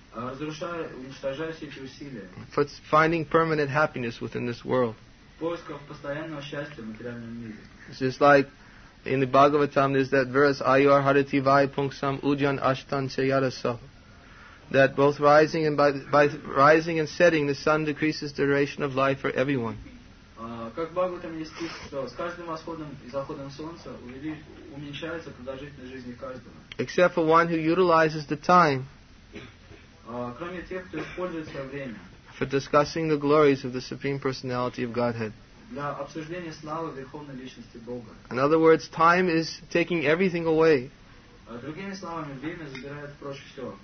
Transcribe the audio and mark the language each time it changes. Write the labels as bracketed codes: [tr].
[ru] разрушая, уничтожая все эти усилия, [en] for finding permanent happiness within this world. [ru] Поисков постоянного счастья в материальном мире. [en] It's just like in the Bhagavatam, there's that verse, [sa] Ayur Harati Vai Pungsam Ujan Ashtan Chayarasa. [en] That both rising and by rising and setting, the sun decreases the duration of life for everyone. [ru] Как Бхагаватам есть стих, что с каждым восходом и заходом солнца уменьшается продолжительность жизни каждого. [en] Except for one who utilizes the time. [ru] Кроме тех, кто использует свое время. [en] For discussing the glories of the Supreme Personality of Godhead. [ru] Для обсуждения славы Верховной Личности Бога. [en] In other words, time is taking everything away. [ru] Другими словами, время забирает прочь все.